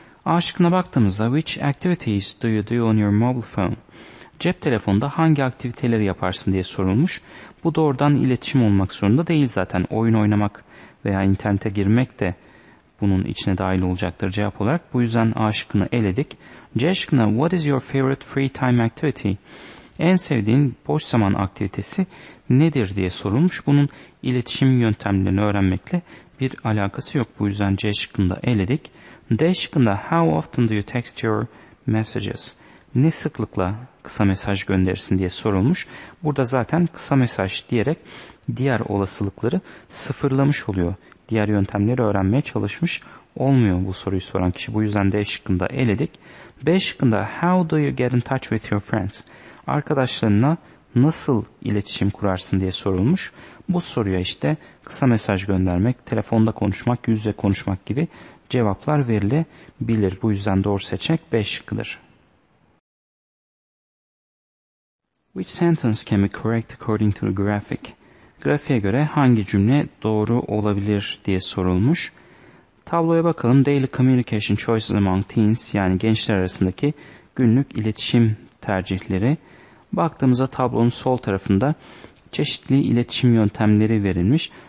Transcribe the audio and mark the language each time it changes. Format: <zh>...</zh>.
<tr>A şıkkına baktığımızda</tr> <en>which activities do you do on your mobile phone?</en> <tr>Cep telefonda hangi aktiviteleri yaparsın diye sorulmuş. Bu doğrudan iletişim olmak zorunda değil zaten. Oyun oynamak veya internete girmek de bunun içine dahil olacaktır cevap olarak. Bu yüzden A şıkkını eledik. C şıkkına</tr> <en>what is your favorite free time activity?</en> <tr>En sevdiğin boş zaman aktivitesi nedir diye sorulmuş. Bunun iletişim yöntemlerini öğrenmekle bir alakası yok. Bu yüzden C şıkkını da eledik. D şıkkında</tr> <en>how often do you text your messages?</en> <tr>Ne sıklıkla kısa mesaj gönderirsin diye sorulmuş. Burada zaten kısa mesaj diyerek diğer olasılıkları sıfırlamış oluyor. Diğer yöntemleri öğrenmeye çalışmış olmuyor bu soruyu soran kişi. Bu yüzden D şıkkını da eledik. B şıkkında</tr> <en>how do you get in touch with your friends?</en> <tr>Arkadaşlarına nasıl iletişim kurarsın diye sorulmuş. Bu soruya işte kısa mesaj göndermek, telefonda konuşmak, yüz yüze konuşmak gibi cevaplar verilebilir. Bu yüzden doğru seçenek B şıkkıdır.</tr> <en>Which sentence can be correct according to the graphic?</en> <tr>Grafiğe göre hangi cümle doğru olabilir diye sorulmuş. Tabloya bakalım.</tr> <en>Daily communication choices among teens,</en> <tr>yani gençler arasındaki günlük iletişim tercihleri. Baktığımızda tablonun sol tarafında çeşitli iletişim yöntemleri verilmiş.</tr>